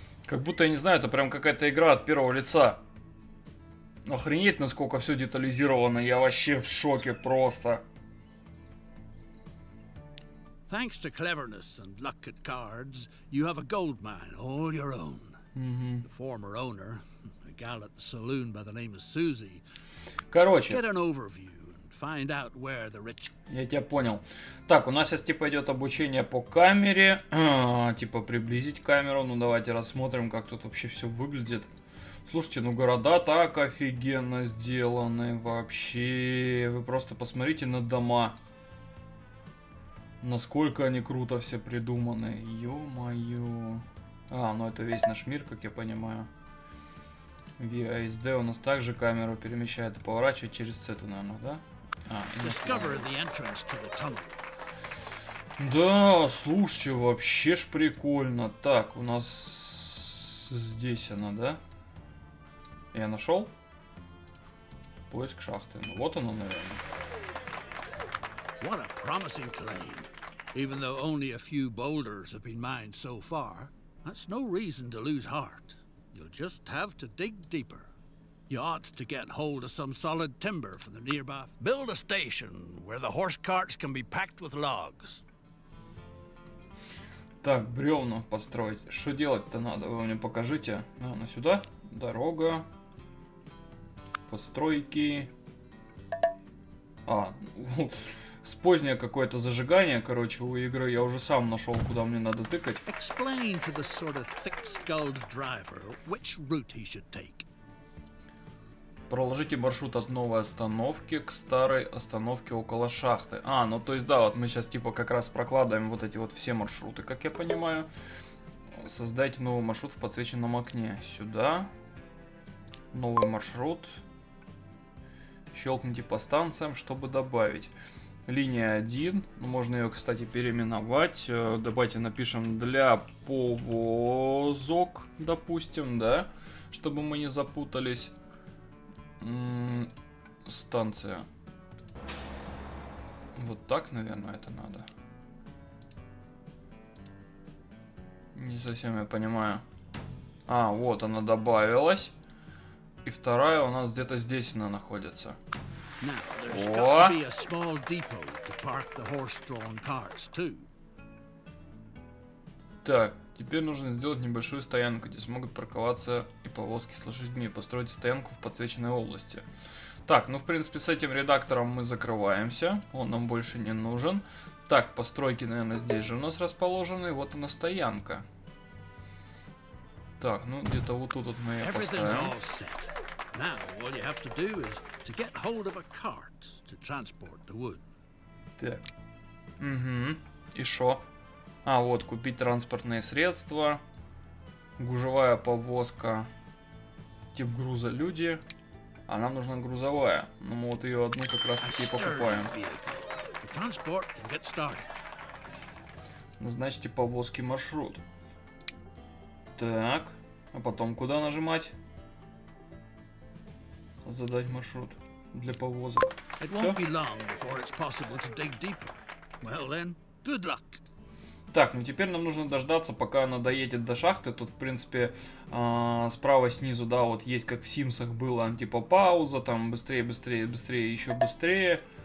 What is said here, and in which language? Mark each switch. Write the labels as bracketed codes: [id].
[ru] Как будто, я не знаю, это прям какая-то игра от первого лица. Охренеть, насколько все детализировано, я вообще в шоке просто. [en] Thanks to cleverness and luck at cards, you have a gold mine all your own. Mm-hmm. The former owner, a gal at the saloon by the name of Susie. [ru] Короче. [en] Get an overview and find out where the rich... [ru] Я тебя понял. Так, у нас сейчас типа идет обучение по камере. Типа приблизить камеру. Ну давайте рассмотрим, как тут вообще все выглядит. Слушайте, ну города так офигенно сделаны вообще. Вы просто посмотрите на дома. Насколько они круто все придуманы. Ё-моё. А, ну это весь наш мир, как я понимаю. VASD у нас также камеру перемещает и поворачивает через цету, наверное, да? А, [en] discover the entrance to the tunnel. [ru] Да, слушайте, вообще ж прикольно. Так, у нас здесь она, да? Я нашел? Поиск шахты. Ну вот она, наверное. [en] What a promising claim. Even though only a few boulders have been mined so far, that's no reason to lose heart. You'll just have to dig deeper. You ought to get hold of some solid timber from the nearby... Build a station where the horse carts can be packed with logs. [ru] Так, бревна построить. Что делать-то надо? Вы мне покажите. На сюда. Дорога. Постройки. А, вот... С позднее какое-то зажигание, короче, у игры я уже сам нашел, куда мне надо тыкать. [en] Explain to the sort of thick-skulled driver which route he should take. [ru] Проложите маршрут от новой остановки к старой остановке около шахты. А, ну то есть да, вот мы сейчас типа как раз прокладываем вот эти вот все маршруты, как я понимаю. Создайте новый маршрут в подсвеченном окне. Сюда. Новый маршрут. Щелкните по станциям, чтобы добавить. Линия 1. Можно ее, кстати, переименовать. Давайте напишем для повозок, допустим, да? Чтобы мы не запутались. Станция. Вот так, наверное, это надо. Не совсем я понимаю. А, вот она добавилась. И вторая у нас где-то здесь она находится. [en] Now, there's got to be a small depot to park the horse-drawn carts too. [ru] Так, теперь нужно сделать небольшую стоянку, где смогут парковаться и повозки с лошадьми, и построить стоянку в подсвеченной области. Так, ну в принципе с этим редактором мы закрываемся, он нам больше не нужен. Так, постройки, наверное, здесь же у нас расположены, вот она стоянка. Так, ну где-то вот тут вот мы ее поставим. [en] Now, all you have to do is to get hold of a cart to transport the wood. [ru] Так. Угу. И шо? А, вот, купить транспортные средства. Гужевая повозка. Тип груза люди. А нам нужна грузовая. Ну, мы вот ее одну как раз таки покупаем. [en] The transport can get started. [ru] Назначьте повозки маршрут. Так. А потом куда нажимать? Задать маршрут для повозок. [en] It won't be long before it's possible to dig deeper. Well then, good luck. [ru] Так, ну теперь нам нужно дождаться, пока она доедет до шахты. Тут, в принципе, справа снизу, да, вот есть, как в Симсах было, типа пауза, там быстрее, быстрее, быстрее, еще быстрее.